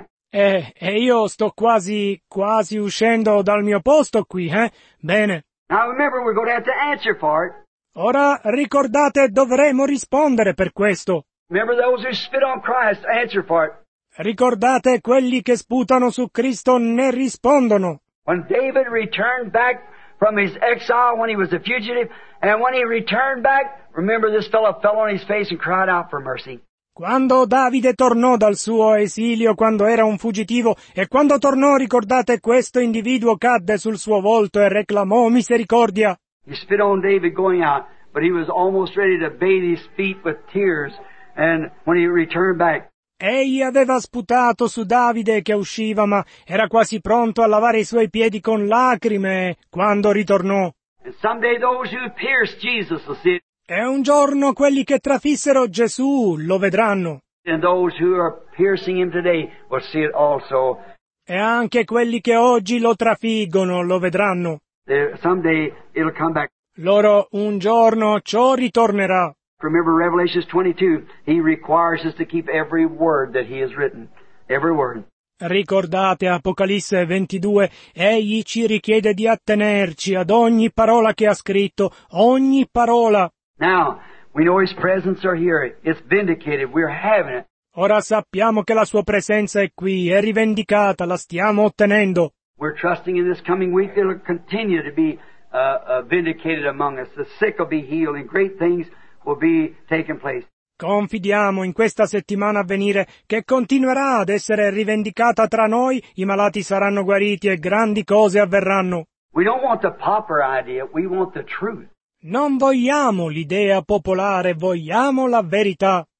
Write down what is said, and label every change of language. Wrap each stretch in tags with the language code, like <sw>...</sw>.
<it>E io sto quasi uscendo dal mio posto qui, eh? Bene.</it> <en>Now remember, we're going to have to answer for it.</en> <it>Ora ricordate, dovremo rispondere per questo.</it> <en>Remember those who spit on Christ, answer for it.</en> <it>Ricordate, quelli che sputano su Cristo ne rispondono.</it> <en>When David returned back from his exile, when he was a fugitive, and when he returned back, remember this fellow fell on his face and cried out for mercy.</en> <it>Quando Davide tornò dal suo esilio, quando era un fuggitivo, e quando tornò, ricordate, questo individuo cadde sul suo volto e reclamò misericordia.</it> <en>He spit on David going out, but he was almost ready to bathe his feet with tears, and when he returned back.</en> <it>Egli aveva sputato su Davide che usciva, ma era quasi pronto a lavare i suoi piedi con lacrime quando ritornò.</it> <en>And someday those who pierced Jesus will see it.</en> <it>E un giorno quelli che trafissero Gesù lo vedranno.</it> <en>And those who are piercing him today will see it also.</en> <it>E anche quelli che oggi lo trafiggono lo vedranno.</it> <en>Someday it'll come back.</en> <it>Loro un giorno ciò ritornerà.</it> <en>Remember Revelation 22, he requires us to keep every word that he has written, every word.</en> <it>Ricordate Apocalisse 22, egli ci richiede di attenerci ad ogni parola che ha scritto, ogni parola.</it> <en>Now, we know his presence are here, it's vindicated, we're having it.</en> <it>Ora sappiamo che la sua presenza è qui, è rivendicata, la stiamo ottenendo.</it> <en>We're trusting in this coming week it'll continue to be vindicated among us. The sick will be healed and great things will be taking place.</en> <it>Confidiamo in questa settimana a venire che continuerà ad essere rivendicata tra noi, i malati saranno guariti e grandi cose avverranno.</it> <en>We don't want the popular idea, we want the truth.</en> <it>Non vogliamo l'idea popolare, vogliamo la verità.</it>